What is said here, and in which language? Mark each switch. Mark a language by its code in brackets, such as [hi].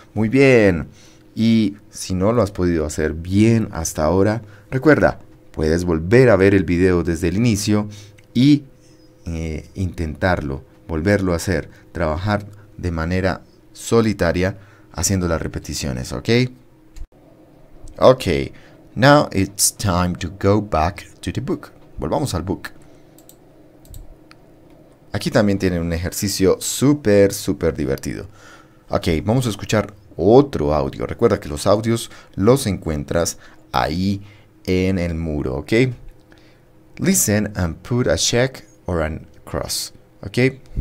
[es] Muy bien. Y si no lo has podido hacer bien hasta ahora, recuerda, puedes volver a ver el video desde el inicio y intentarlo, volverlo a hacer, trabajar de manera solitaria haciendo las repeticiones, ¿ok? [en] Ok, now it's time to go back to the book. [es] Volvamos al book. Aquí también tienen un ejercicio súper, súper divertido. Ok, vamos a escuchar otro audio. Recuerda que los audios los encuentras ahí en el muro, ¿ok? [en] Listen and put a check or an cross, ¿ok?